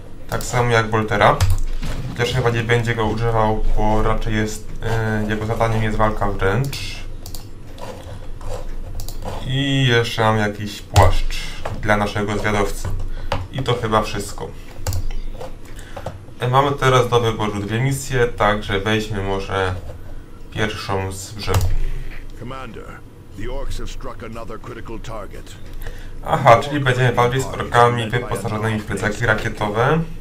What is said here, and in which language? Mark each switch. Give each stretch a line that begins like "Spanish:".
Polish: Tak samo jak Boltera. Chociaż chyba nie będzie go używał, bo raczej jest jego zadaniem jest walka wręcz. I jeszcze mam jakiś płaszcz dla naszego zwiadowcy. I to chyba wszystko. Mamy teraz do wyboru 2 misje, także weźmy może pierwszą z brzegu.
English: Commander, the orcs have struck another critical target.
Polish: Aha, czyli będziemy walczyć z orkami wyposażonymi w plecaki rakietowe.